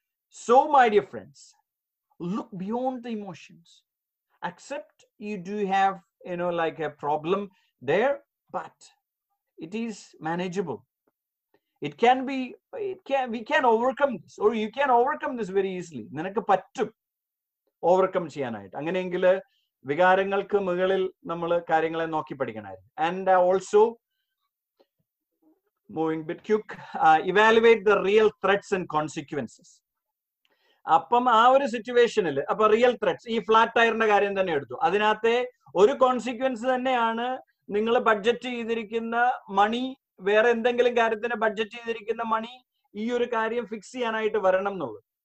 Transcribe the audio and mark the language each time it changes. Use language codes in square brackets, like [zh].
[en] So my dear friends, look beyond the emotions. Accept you do have, you know, like a problem there, but it is manageable. We can overcome this, or you can overcome this very easily. [ml] നിനക്ക് പറ്റും overcome ചെയ്യാനായിട്ട്. അങ്ങനെയെങ്കിൽ വികാരങ്ങൾക്ക് മുകളിൽ നമ്മൾ കാര്യങ്ങളെ നോക്കി പഠിക്കണമായിരുന്നു. [en] And also moving bit quick, evaluate the real threats and consequences. [ml] അപ്പം ആ ഒരു സിറ്റുവേഷനിൽ, അപ്പൊ റിയൽ ത്രെറ്റ്സ്, ഈ ഫ്ലാറ്റ് ടയറിന്റെ കാര്യം തന്നെ എടുത്തു, അതിനകത്തെ ഒരു കോൺസിക്വൻസ് തന്നെയാണ് നിങ്ങൾ ബഡ്ജറ്റ് ചെയ്തിരിക്കുന്ന മണി, വേറെ എന്തെങ്കിലും കാര്യത്തിന് ബഡ്ജറ്റ് ചെയ്തിരിക്കുന്ന മണി ഈ ഒരു കാര്യം ഫിക്സ് ചെയ്യാനായിട്ട് വരണം എന്നുള്ളത്.